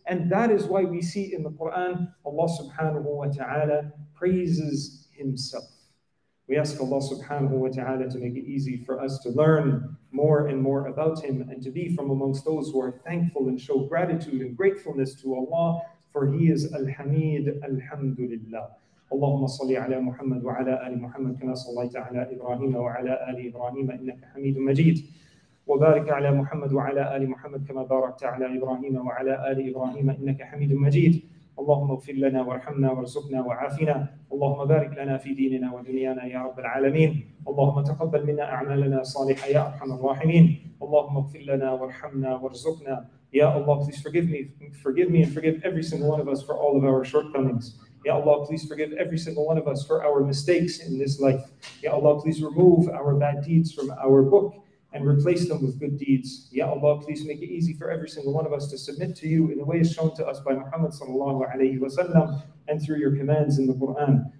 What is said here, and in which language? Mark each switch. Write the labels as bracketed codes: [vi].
[en] And that is why we see in the Quran, Allah subhanahu wa ta'ala praises Himself. We ask Allah subhanahu wa ta'ala to make it easy for us to learn more and more about Him and to be from amongst those who are thankful and show gratitude and gratefulness to Allah, for He is Al-Hamid, Alhamdulillah. [ar] اللهم صل على محمد وعلى آل محمد كما صليت على إبراهيم وعلى آل إبراهيم إنك حميد مجيد. وبارك على محمد وعلى آل محمد كما باركت على إبراهيم وعلى آل إبراهيم إنك حميد مجيد. اللهم اغفر لنا وارحمنا وارزقنا وعافنا. اللهم بارك لنا في ديننا ودنيانا يا رب العالمين. اللهم تقبل منا أعمالنا الصالحة يا أرحم الراحمين. اللهم اغفر لنا وارحمنا وارزقنا. [en] يا الله, please forgive me and forgive every single one of us for all of our shortcomings. Ya Allah, please forgive every single one of us for our mistakes in this life. Ya Allah, please remove our bad deeds from our book and replace them with good deeds. Ya Allah, please make it easy for every single one of us to submit to You in the way shown to us by Muhammad sallallahu alayhi wa sallam and through Your commands in the Quran.